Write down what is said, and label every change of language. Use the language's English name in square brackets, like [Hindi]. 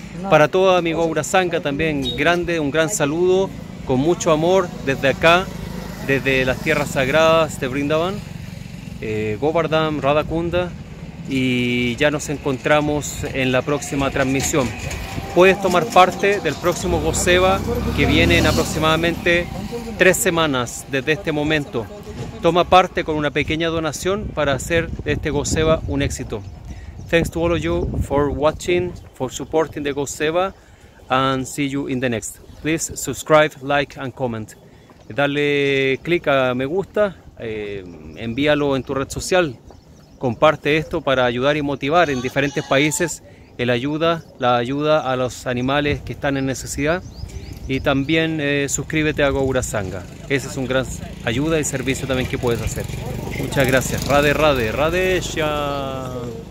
[Spanish] Para toda mi Gaura Sangha también, un gran saludo, con mucho amor, desde acá, desde las tierras sagradas de Vrindavan, Govardhan, Radhakunda, y ya nos encontramos en la próxima transmisión. Puedes tomar parte del próximo Goseva, que viene en aproximadamente 3 semanas desde este momento. Toma parte con una pequeña donación para hacer este Goseva un éxito. [English] Thanks to all of you for watching, for supporting the Goseva, and see you in the next. Please subscribe, like and comment. [Spanish] dale clic a me gusta, envíalo en tu red social, comparte esto para ayudar y motivar en diferentes países la ayuda a los animales que están en necesidad. Y también suscríbete a Gourasanga. Ese es un gran ayuda y servicio también que puedes hacer. Muchas gracias. Rade, Rade, Rade, Shyam.